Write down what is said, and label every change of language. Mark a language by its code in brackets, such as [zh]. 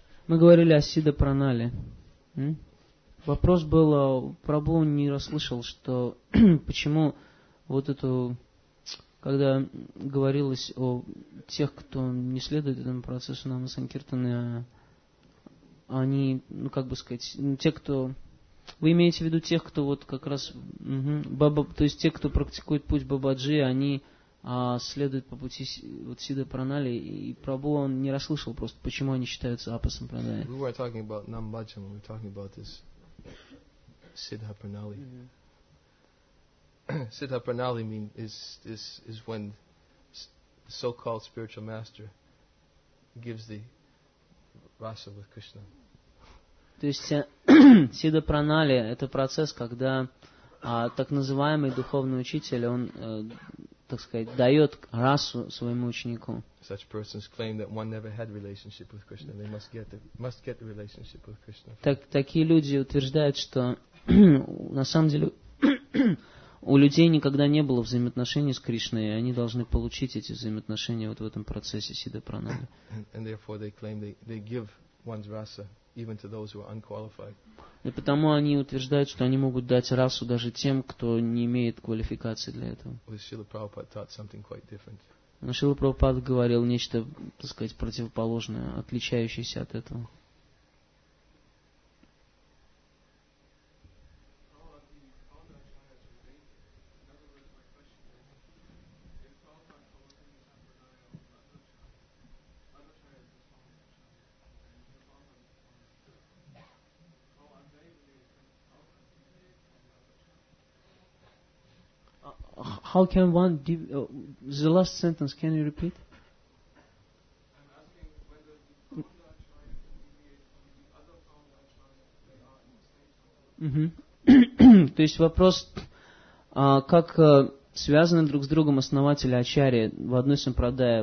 [ru] Мы говорили о Siddha Pranali. Вопрос был, Прабху не расслышал, что почему вот эту, когда говорилось о тех, кто не следует этому процессу Нама Санкиртаны, они, ну как бы сказать, те, кто... Вы имеете в виду тех, кто вот как раз... Баба, то есть те, кто практикует путь Бабаджи, они следуют по пути вот Siddha Pranali, и Прабху он не расслышал просто, почему они считаются Апасан Пранали. [en] We were talking about Nam Bhajan, we were talking about this Siddha Pranali. Siddha Pranali mean is when the so-called spiritual master gives the rasa with Krishna. [ru] То есть Siddha Pranali это процесс, когда так называемый духовный учитель, он, так сказать, дает расу своему ученику. [en] Such persons claim that one never had relationship with Krishna. They must get the relationship with Krishna. [ru] Такие люди утверждают, что на самом деле у людей никогда не было взаимоотношений с Кришной, и они должны получить эти взаимоотношения вот в этом процессе Siddha Pranali. [en] And therefore they claim they give one's rasa even to those who are unqualified. [ru] И потому они утверждают, что они могут дать расу даже тем, кто не имеет квалификации для этого. [en] Шрила Прабхупада taught something quite different. [ru] Но Шрила Прабхупада говорил нечто, так сказать, противоположное, отличающееся от этого. [en] How can one give the last sentence? Can you repeat? I'm asking whether the founder acharya deviates from the other founder acharya, they are in the same [ru] То есть вопрос, как связаны друг с другом основатели ачарьи в одной сампрадае.